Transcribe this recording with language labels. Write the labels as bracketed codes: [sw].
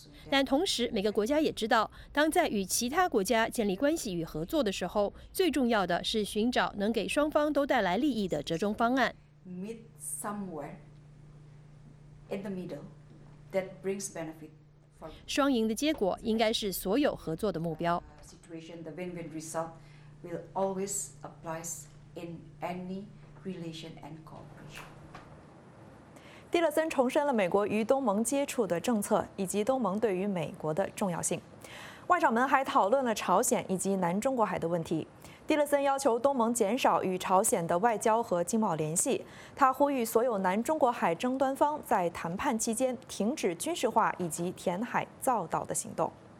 [zh] 但同时，每个国家也知道，当在与其他国家建立关系与合作的时候，最重要的是寻找能给双方都带来利益的折中方案。 [en] Meet somewhere in the middle that brings benefit. [zh] 双赢的结果应该是所有合作的目标。 [en] Situation, the win-win result will always apply in any relation and cooperation. [zh] 蒂勒森重申了美国与东盟接触的政策以及东盟对于美国的重要性。外长们还讨论了朝鲜以及南中国海的问题。蒂勒森要求东盟减少与朝鲜的外交和经贸联系，他呼吁所有南中国海争端方在谈判期间停止军事化以及填海造岛的行动。